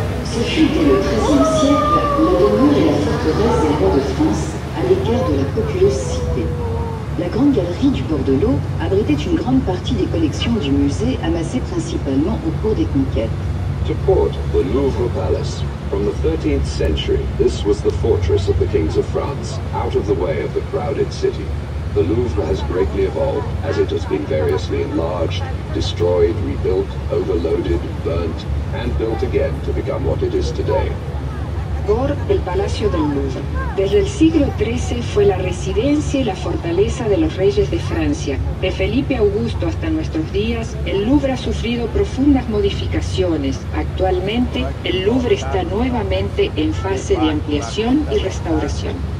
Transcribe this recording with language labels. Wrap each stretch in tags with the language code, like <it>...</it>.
<fr>Ce fut dès le XIIIe siècle la demeure et la forteresse des rois de France à l'égard de la populeuse cité. La grande galerie du bord de l'eau abritait une grande partie des collections du musée amassées principalement au cours des conquêtes.</fr> <en>To port, the Louvre Palace. From the 13th century, this was the fortress of the kings of France, out of the way of the crowded city. The Louvre has greatly evolved as it has been variously enlarged, destroyed, rebuilt, overloaded, burnt, and built again to become what it is today.</en> <es>Por el Palacio del Louvre. Desde el siglo XIII fue la residencia y la fortaleza de los reyes de Francia. De Felipe Augusto hasta nuestros días, el Louvre ha sufrido profundas modificaciones. Actualmente, el Louvre está nuevamente en fase de ampliación y restauración.</es>